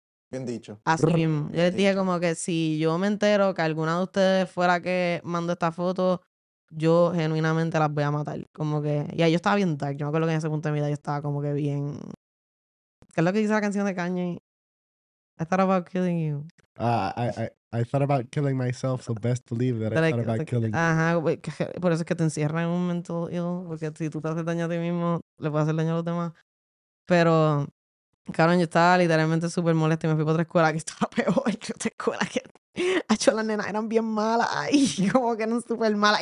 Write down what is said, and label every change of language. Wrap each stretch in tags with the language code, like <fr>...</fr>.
<es>Bien dicho. Así mismo. Yo les dije, como que si yo me entero que alguna de ustedes fuera que mandó esta foto, yo genuinamente las voy a matar. Como que... Y ahí yo estaba bien dark. Yo me acuerdo que en ese punto de mi vida yo estaba como que bien... ¿Qué es lo que dice la canción de Kanye?</es> <en>I thought about killing you. I thought about killing myself, so best believe that I thought about killing you. Ajá.</en> <es>Por eso es que te encierran en un mental ill. Porque si tú te haces daño a ti mismo, le puedes hacer daño a los demás. Pero... Cabrón, yo estaba literalmente súper molesta y me fui para otra escuela que estaba peor que otra escuela que... Ha hecho las nenas, eran bien malas, ay, como que eran súper malas.</es>